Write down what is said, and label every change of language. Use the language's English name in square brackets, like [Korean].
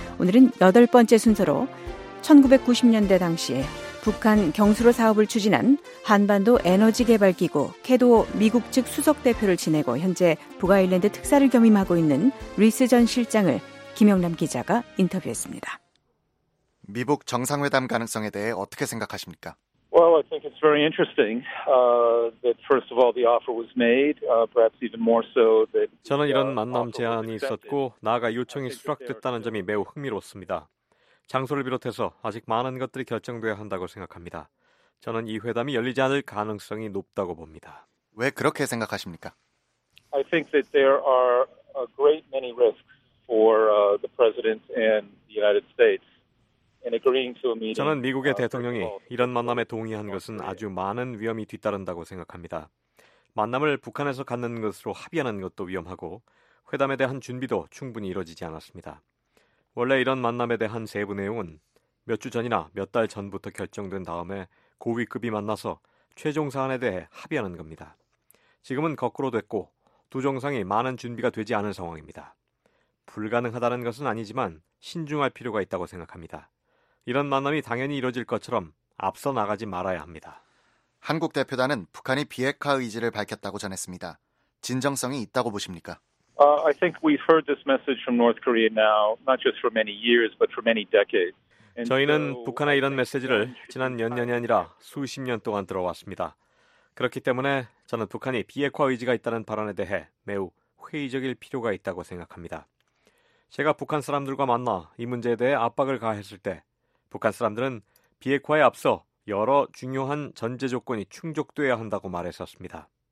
[Korean] 오늘은 여덟 번째 순서로 1990년대 당시 북한 경수로 사업을 추진한 한반도 에너지개발기구 캐도 미국 측 수석대표를 지내고 현재 북아일랜드 특사를 겸임하고 있는 리스 전 실장을 김영남 기자가 인터뷰했습니다. 미북 정상회담 가능성에 대해 어떻게 생각하십니까? [English] Well, I think it's very interesting that first of all the offer was made, perhaps even more so that [Korean] 저는 이런 만남 제안이 있었고 나아가 요청이 수락됐다는 점이 매우 흥미롭습니다. 장소를 비롯해서 아직 많은 것들이 결정돼야 한다고 생각합니다. 저는 이 회담이 열리지 않을 가능성이 높다고 봅니다. 왜 그렇게 생각하십니까? [English] I think that there are a great many risks for the president and the United States. [Korean] 저는 미국의 대통령이 이런 만남에 동의한 것은 아주 많은 위험이 뒤따른다고 생각합니다. 만남을 북한에서 갖는 것으로 합의하는 것도 위험하고 회담에 대한 준비도 충분히 이루어지지 않았습니다. 원래 이런 만남에 대한 세부 내용은 몇 주 전이나 몇 달 전부터 결정된 다음에 고위급이 만나서 최종 사안에 대해 합의하는 겁니다. 지금은 거꾸로 됐고 두 정상이 많은 준비가 되지 않은 상황입니다. 불가능하다는 것은 아니지만 신중할 필요가 있다고 생각합니다. 이런 만남이 당연히 이루어질 것처럼 앞서 나가지 말아야 합니다. 한국 대표단은 북한이 비핵화 의지를 밝혔다고 전했습니다. 진정성이 있다고 보십니까? [English] I think we've heard this message from North Korea now, not just for many years, but for many decades. [Korean] 저희는 북한의 이런 메시지를 지난 몇 년이 아니라 수십 년 동안 들어왔습니다. 그렇기 때문에 저는 북한이 비핵화 의지가 있다는 발언에 대해 매우 회의적일 필요가 있다고 생각합니다. 제가 북한 사람들과 만나 이 문제에 대해 압박을 가했을 때 북한 사람들은 비핵화에 앞서 여러 중요한 전제 조건이 충족돼야 한다고 말했었습니다.